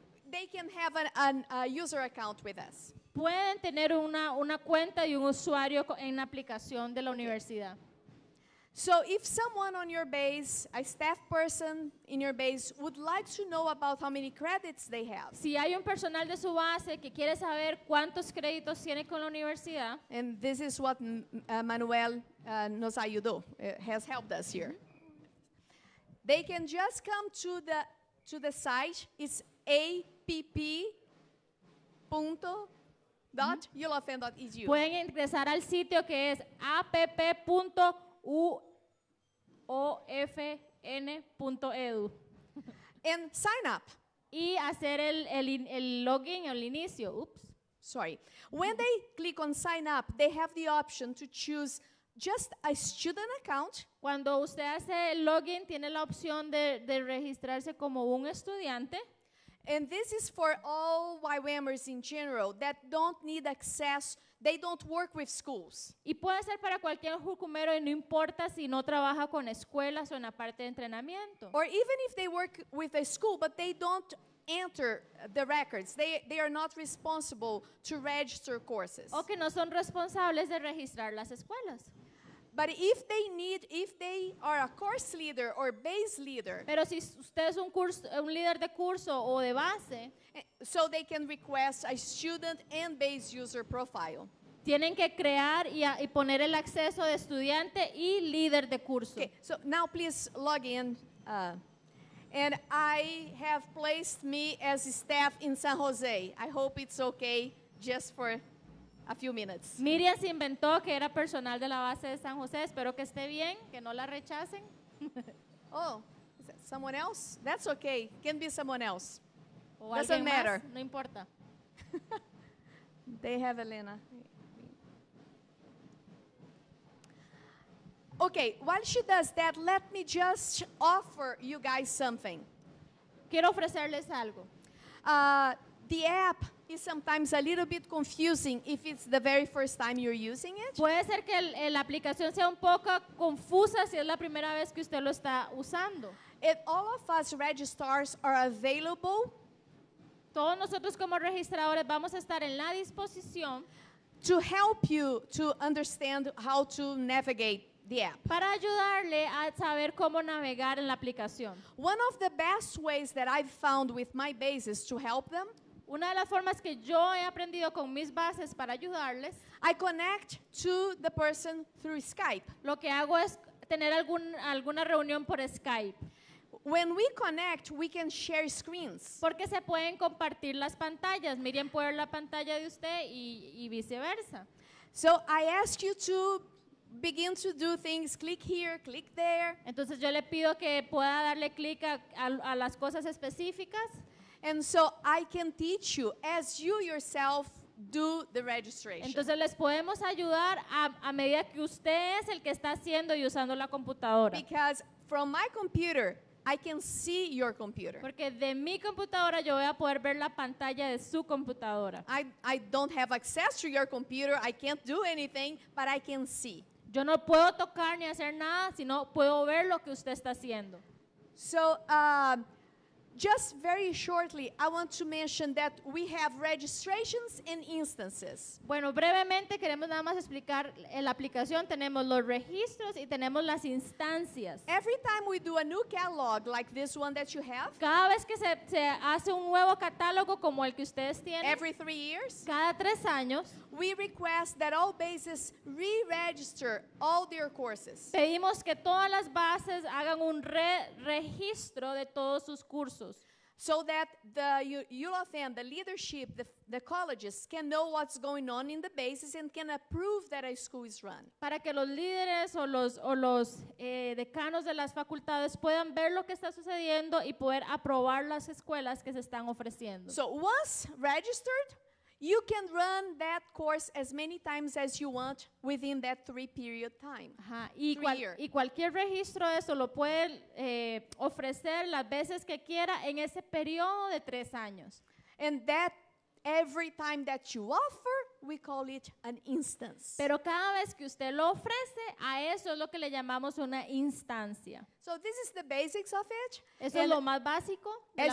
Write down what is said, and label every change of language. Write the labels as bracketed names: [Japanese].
[English] They can have a user account with us. [Spanish] Pueden tener una cuenta y un usuario en la aplicación de la universidad. [English] So if someone on your base, a staff person in your base, would like to know about how many credits they have. [Spanish] Si hay un personal de su base que quiere saber cuántos créditos tiene con la universidad. [English] And this is what Manuel [Spanish] nos ayudó, [English] has helped us here. They can just come to the site. It's app.uofn.edu. [Spanish] Pueden ingresar al sitio que es app.uofn.edu. [English] And sign up. [Spanish] y hacer el login, el inicio. Oops. [English] Sorry. When they click on sign up, they have the option to choose just a student account. [Spanish] Cuando usted hace el login, tiene la opción de registrarse como un estudiante. [English] And this is for all YWAMers in general that don't need access, they don't work with schools. [Spanish] Y puede ser para cualquier jucumero y no importa si no trabaja con escuelas o en la parte de entrenamiento. [English] Or even if they work with a school, but they don't enter the records. They are not responsible to register courses. [Spanish] O que no son responsables de registrar las escuelas. [English] But if they need, if they are a course leader or base leader, [Spanish] pero si usted es un curso, un líder de curso o de base, [English] so they can request a student and base user profile. [Spanish] Tienen que crear y poner el acceso de estudiante y líder de curso. [English] Okay, so now please log in. And I have placed me as staff in San Jose. I hope it's okay just for a few minutes. [Spanish] Miriam se inventó que era personal de la base de San José. Espero que esté bien, que no la rechacen. [English] Oh, is that someone else? That's okay. Can be someone else. O doesn't matter. [Spanish] Más, no importa. [English] They have Elena. Okay, while she does that, let me just offer you guys something. [Spanish] Quiero ofrecerles algo. [English] The app is sometimes a little bit confusing if it's the very first time you're using it. [Spanish] Puede ser que la aplicación sea un poco confusa si es la primera vez que usted lo está usando. [English] If all of us registrars are available, [Spanish] todos nosotros como registradores vamos a estar en la disposición [English] to help you to understand how to navigate the app. [Spanish] Para ayudarle a saber cómo navegar en la aplicación. [English] One of the best ways that I've found with my bases to help them. [Spanish] Una de las formas que yo he aprendido con mis bases para ayudarles. [English] I connect to the person through Skype. [Spanish] Lo que hago es tener alguna reunión por Skype. [English] When we connect, we can share screens. [Spanish] Porque se pueden compartir las pantallas. Miriam puede ver la pantalla de usted y viceversa. [English] So I ask you to begin to do things, click here, click there. [Spanish] Entonces yo le pido que pueda darle click a las cosas específicas. [English] And so I can teach you as you yourself do the registration. [Spanish] Entonces les podemos ayudar a medida que usted es el que está haciendo y usando la computadora. [English] Because from my computer, I can see your computer. [Spanish] Porque de mi computadora yo voy a poder ver la pantalla de su computadora. [English] I don't have access to your computer. I can't do anything, but I can see. [Spanish] Yo no puedo tocar ni hacer nada, sino puedo ver lo que usted está haciendo. [English] So, just very shortly, I want to mention that we have registrations and instances. [Spanish] Bueno, brevemente queremos nada más explicar la aplicación. Tenemos los registros y tenemos las instancias. [English] Every time we do a new catalog like this one that you have. [Spanish] Cada vez que se hace un nuevo catálogo como el que ustedes tienen. [English] Every 3 years. [Spanish] Cada 3 años. [English] We request that all bases re-register all their courses. [Spanish] Pedimos que todas las bases hagan un re-registro de todos sus cursos. [English] So that the UofN, the leadership, the colleges can know what's going on in the bases and can approve that a school is run. [Spanish] Para que los líderes o los decanos de las facultades puedan ver lo que está sucediendo y poder aprobar las escuelas que se están ofreciendo. [English] So once registered, you can run that course as many times as you want within that 3-period time. [Spanish] Y cualquier registro de eso lo puede ofrecer las veces que quiera en ese periodo de 3 años. [English] And that every time that you offer, we call it an instance. [Spanish] Pero cada vez que usted lo ofrece, a eso es lo que le llamamos una instancia. [English] So this is the basics of it. [Spanish] Eso es lo más básico de la aplicación.